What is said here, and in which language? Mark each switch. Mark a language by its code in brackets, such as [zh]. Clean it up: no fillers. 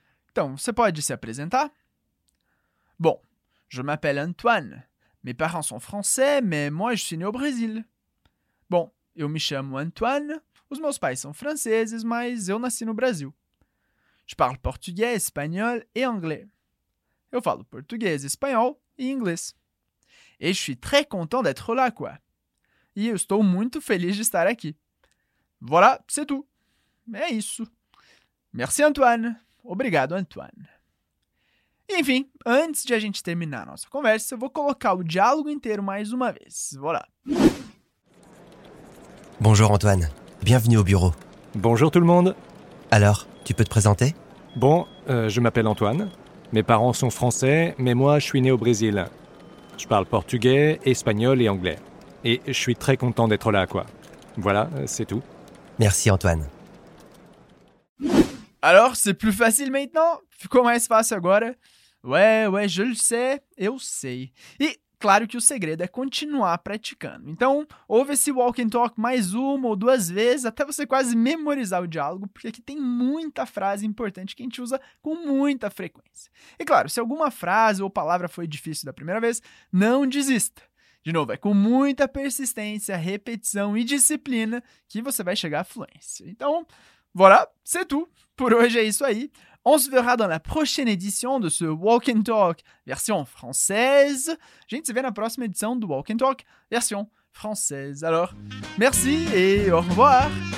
[pt] Então, você pode se apresentar? [fr] Bon, je m'appelle Antoine. Mes parents sont français, mais moi je suis né au Brésil. [pt] Bon, eu me chamo Antoine. Os meus pais são franceses, mas eu nasci no Brasil. [fr] Je parle português, espanhol et anglais. [pt] Eu falo português, espanhol e inglês. [fr] Et je suis très content d'être là, quoi. [pt] E eu estou muito feliz de estar aqui. [fr] Voilà, c'est tout. [pt] É isso. [fr] Merci, Antoine. [pt] Obrigado, Antoine. Enfim, antes de a gente terminar a nossa conversa, eu vou colocar o diálogo inteiro mais uma vez. [fr] Voilà. Bonjour, Antoine. Bienvenue au bureau. Bonjour, tout le monde. Alors, tu peux te présenter? Bon, je m'appelle Antoine. Mes parents sont français, mais moi, je suis né au Brésil. Je parle portugais, espagnol et anglais. Et je suis très content d'être là, quoi. Voilà, c'est tout. Merci, Antoine. Alors, c'est plus facile maintenant? [pt] Ficou mais fácil agora? [fr] Ouais, je le sais, [pt] eu sei. E claro que o segredo é continuar praticando. Então, ouve esse walk and talk mais uma ou duas vezes, até você quase memorizar o diálogo, porque aqui tem muita frase importante que a gente usa com muita frequência. E claro, se alguma frase ou palavra foi difícil da primeira vez, não desista. De novo, é com muita persistência, repetição e disciplina que você vai chegar à fluência. Então, [fr] voilà, c'est tout. [pt] Por hoje é isso aí. [fr] On se verra dans la prochaine édition de ce Walk and Talk version française. [pt] A gente se vê na próxima edição do Walk and Talk version française. [fr] Alors, merci et au revoir!